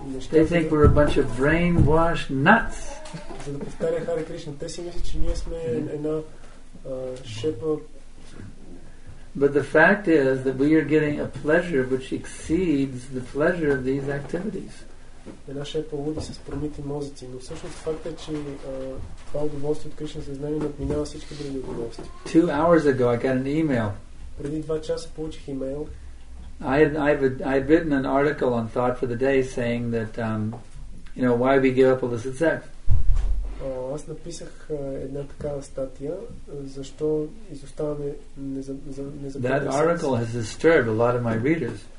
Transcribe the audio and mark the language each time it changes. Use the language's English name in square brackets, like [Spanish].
[English] They think we're a bunch of brainwashed nuts. [Bulgarian] За да повтаря Хари Кришна, те си мислят, че ние сме една шепа. [English] But the fact is that we are getting a pleasure which exceeds the pleasure of these activities. [Bulgarian] Една шепа луди с промити мозъци, но всъщност факт е, че това удоволствие от Кришна съзнание надминава всички други удоволствия. [English] 2 hours ago I got an email. [Bulgarian] Преди 2 часа получих имейл. [English] I had written an article on Thought for the Day saying that you know, why we give up illicit sex. [Bulgarian] Аз написах една такава статия, защо изоставаме [English] That article has disturbed a lot of my readers.